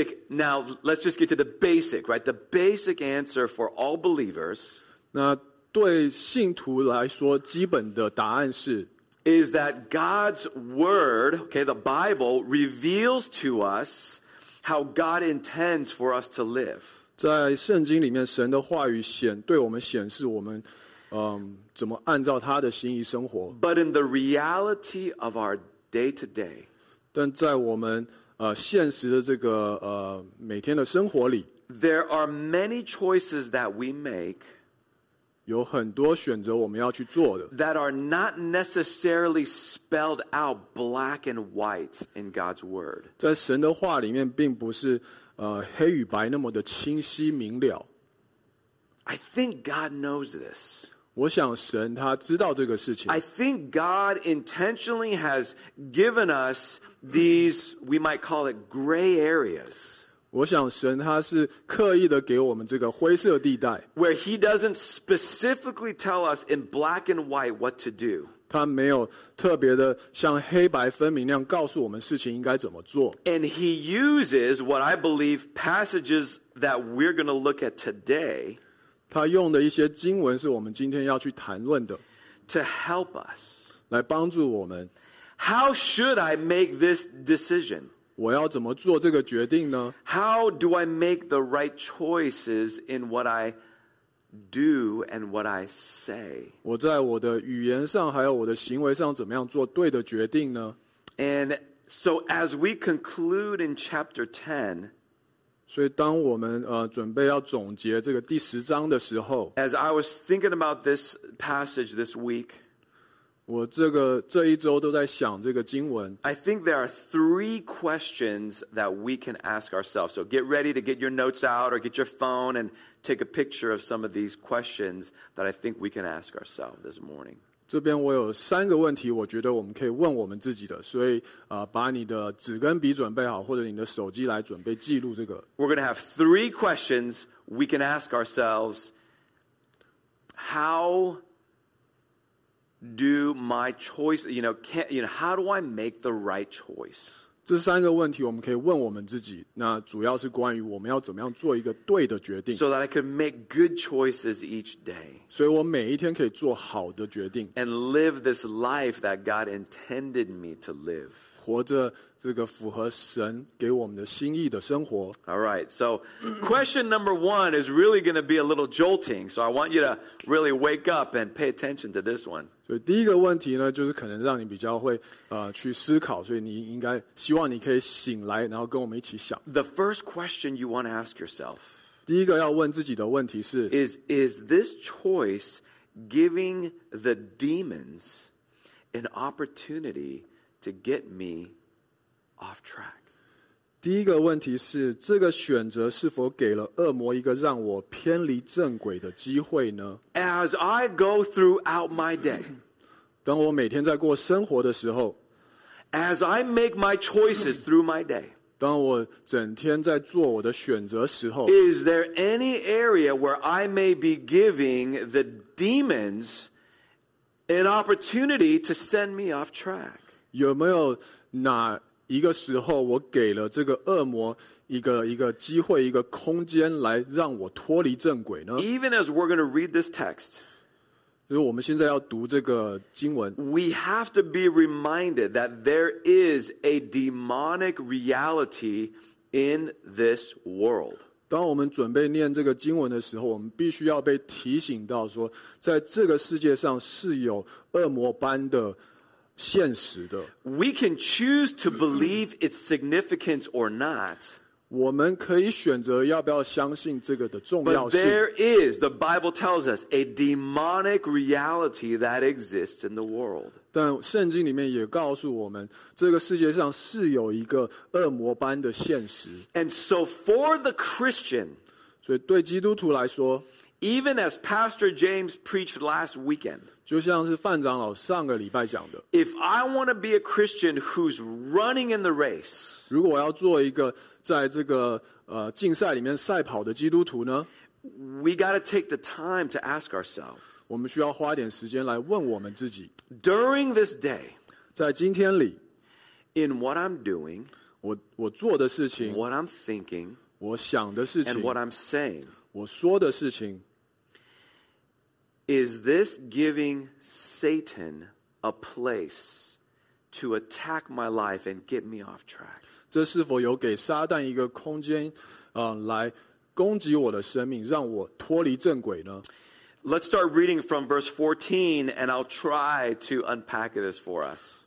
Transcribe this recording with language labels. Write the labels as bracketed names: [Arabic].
[English] Now let's just get to the basic, right? The basic answer for all believers, [Chinese] 那对信徒来说基本的答案是， [English] is that God's word, okay, the Bible reveals to us how God intends for us to live. [Chinese] 在圣经里面神的话语显对我们显示我们怎么按照他的心意生活。 [English] But in the reality of our day to day, [Chinese] 但在我们现实的这个每天的生活里， [English] there are many choices that we make, [Chinese] 有很多选择我们要去做的， [English] that are not necessarily spelled out black and white in God's word. [Chinese] 在神的话里面并不是黑与白那么的清晰明了。 [English] I think God knows this. [Chinese] 我想神他知道这个事情。 [English] I think God intentionally has given us these, we might call it gray areas. [Chinese] 我想神他是刻意的给我们这个灰色地带。 [English] Where he doesn't specifically tell us in black and white what to do. [Chinese] 他没有特别的像黑白分明那样告诉我们事情应该怎么做。 [English] And he uses what I believe passages that we're going to look at today. [Chinese] 他用的一些经文是我们今天要去谈论的。 [English] To help us. [Chinese] 来帮助我们。 [English] How should I make this decision? [Chinese] 我要怎么做这个决定呢? [English] How do I make the right choices in what I do and what I say? [Chinese] 我在我的语言上还有我的行为上怎么样做对的决定呢? [English] And so as we conclude in chapter 10, [Chinese] 所以当我们准备要总结这个第十章的时候, [English] as I was thinking about this passage this week, [Chinese] 我这一周都在想这个经文。 [English] I think there are three questions that we can ask ourselves. So get ready to get your notes out or get your phone and take a picture of some of these questions that I think we can ask ourselves this morning. [Chinese] 这边我有三个问题我觉得我们可以问我们自己的。所以把你的纸跟笔准备好或者你的手机来准备记录这个。 [English] We're going to have three questions we can ask ourselves. How... Do my choice, you know, can, you know, how do I make the right choice? [Chinese] 这三个问题我们可以问我们自己，那主要是关于我们要怎么样做一个对的决定。 [English] So that I can make good choices each day. [Chinese] 所以我每一天可以做好的决定。 [English] And live this life that God intended me to live. [Chinese] 活着这个符合神给我们的心意的生活。 [English] All right, so question number one is really going to be a little jolting. So I want you to really wake up and pay attention to this one. [Chinese] 所以第一个问题呢，就是可能让你比较会去思考，所以你应该希望你可以醒来，然后跟我们一起想。 [English] The first question you want to ask yourself. [Chinese] 第一个要问自己的问题是 [English] Is this choice giving the demons an opportunity to get me off track? [Chinese] 第一个问题是这个选择是否给了恶魔一个让我偏离正轨的机会呢？ [English] As I go throughout my day, [Chinese] 当我每天在过生活的时候, [English] as I make my choices through my day, [Chinese] 当我整天在做我的选择时候, [English] is there any area where I may be giving the demons an opportunity to send me off track? [Chinese] 有没有哪一个时候我给了这个恶魔一个机会一个空间来让我脱离正轨呢? [English] Even as we're going to read this text, [Chinese] 就是我们现在要读这个经文, [English] we have to be reminded that there is a demonic reality in this world. [Chinese] 当我们准备念这个经文的时候,我们必须要被提醒到说,在这个世界上是有恶魔般的现实的。 [English] We can choose to believe its significance or not. [Chinese] 我们可以选择要不要相信这个的重要性。 [English] But there is, the Bible tells us, a demonic reality that exists in the world. [Chinese] 但圣经里面也告诉我们，这个世界上是有一个恶魔般的现实。 [English] And so for the Christian, [Chinese] 所以对基督徒来说， [English] even as Pastor James preached last weekend, [Chinese] 就像是范长老上个礼拜讲的。 [English] If I want to be a Christian who's running in the race, [Chinese] 如果我要做一个在这个竞赛里面赛跑的基督徒呢， [English] we got to take the time to ask ourselves. [Chinese] 我们需要花点时间来问我们自己。 [English] During this day, [Chinese] 在今天里， [English] in what I'm doing, [Chinese] 我做的事情， [English] what I'm thinking, [Chinese] 我想的事情， [English] and what I'm saying, [Chinese] 我说的事情， [English] Is this giving Satan a place to attack my life and get me off track? [Chinese] 这是否有给撒旦一个空间，来攻击我的生命，让我脱离正轨呢？ [English] Let's start reading from verse 14, and I'll try to unpack this for us.